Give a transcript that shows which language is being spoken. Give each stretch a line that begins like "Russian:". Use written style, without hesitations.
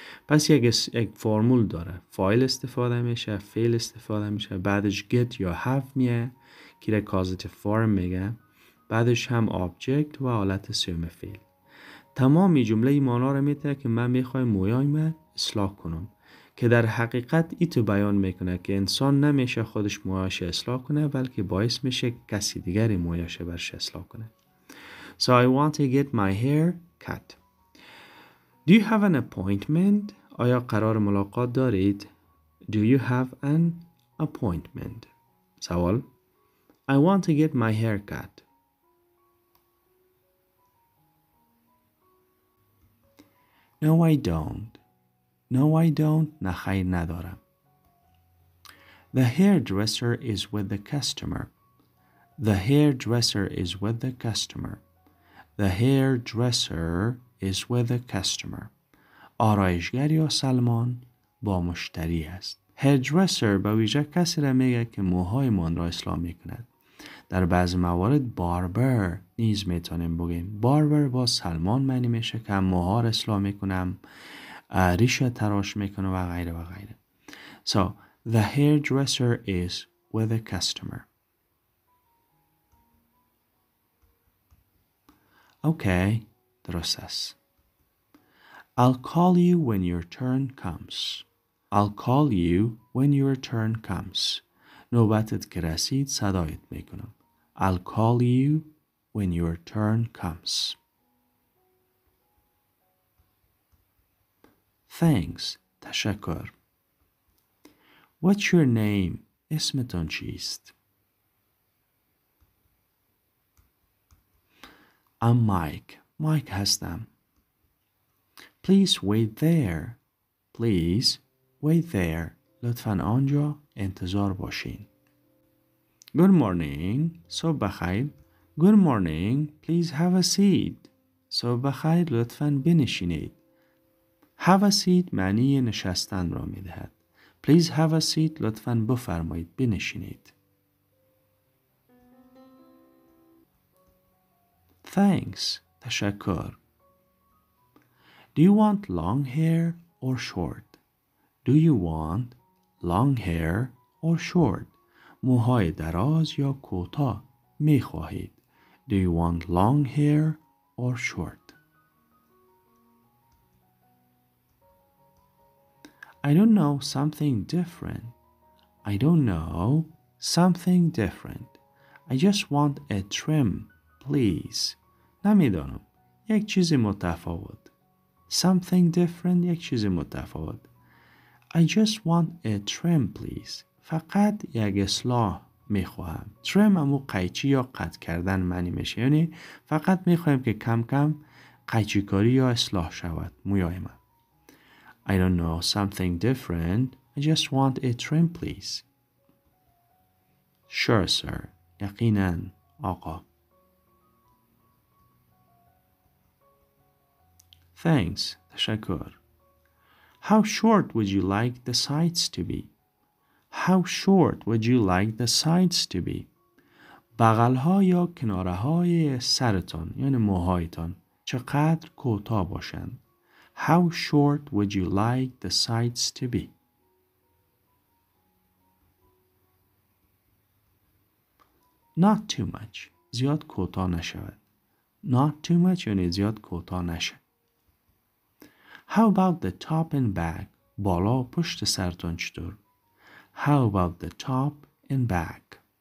Persian: پس یک فرمول داره، فایل استفاده میشه، فیل استفاده میشه، بعدش get یا have میه که در causative form میگه، بعدش هم object و حالت سوم فیل. تمامی جمله ایمانا رو میتونه که من میخوایم مویای من اصلاح کنم، که در حقیقت ایتو بیان میکنه که انسان نمیشه خودش مویاش اصلاح کنه، بلکه باعث میشه کسی دیگری مویاش برش اصلاح کنه.
English: So I want to get my hair cut. Do you have an appointment?
Persian: آیا قرار ملاقات دارید؟
English: Do you have an appointment?
Persian: سوال.
English: I want to get my hair cut. No, I don't. No, I don't.
Persian: نخیر ندارم.
English: The hairdresser is with the customer. The hairdresser is with the customer. The hairdresser is with the customer.
Persian: آرایشگر یا سلمان با مشتری است. هیردرسر به ویژه کسی را میگه که موهای من را اصلاح میکند. در بعض موارد باربر نیز میتونیم بگیم. باربر با سلمان معنی میشه که موها را اصلاح میکنم، ریش تراش میکنه و غیره و غیره.
English: So, the hairdresser is with the customer. Okay.
Persian: درست است.
English: I'll call you when your turn comes. I'll call you when your turn comes.
Persian: نوبتت که رسید صدایت میکنم.
English: I'll call you when your turn comes. Thanks.
Persian: تشکر.
English: What's your name?
Persian: اسمتون چیست؟
English: I'm Mike. Mike
Persian: هستم.
English: Please wait there. Please wait there.
Persian: لطفاً آنجا انتظار باشین.
English: Good morning.
Persian: صبح بخیر.
English: Good morning. Please have a seat.
Persian: صبح بخیر. لطفاً بنشینید.
English: Have a seat
Persian: معنی نشستن را می دهد.
English: Please have a seat.
Persian: لطفاً بفرمایید. بنشینید.
English: Thanks.
Persian: تشکر.
English: Do you want long hair or short? Do you want long hair or short?
Persian: موهای دراز یا کوتاه می خواهید.
English: Do you want long hair or short? I don't know something different. I don't know something different. I just want a trim, please.
Persian: نمیدانم. یک چیزی متفاوت.
English: Something different,
Persian: یک چیزی متفاوت.
English: I just want a trim, please.
Persian: فقط یک اصلاح میخواهم. Trim امو قیچی یا قطع کردن معنی میشه. یعنی فقط میخواهم که کم کم قیچی کاری یا اصلاح شود. مویای من.
English: I don't know something different. I just want a trim, please. Sure, sir.
Persian: یقیناً آقا.
English: Thanks.
Persian: تشکر.
English: How short would you like the sides to be? How short would you like the sides to be?
Persian: بغل‌ها یا کناره‌های سرتون یعنی موهایتون چقدر کوتاه باشند؟
English: How short would you like the sides to be? Not too much.
Persian: زیاد کوتاه نشود.
English: Not too much
Persian: یعنی زیاد کوتاه نشود.
English: How about the top and back?
Persian: بالا و پشت سرتون چطور؟
English: How about the top and back?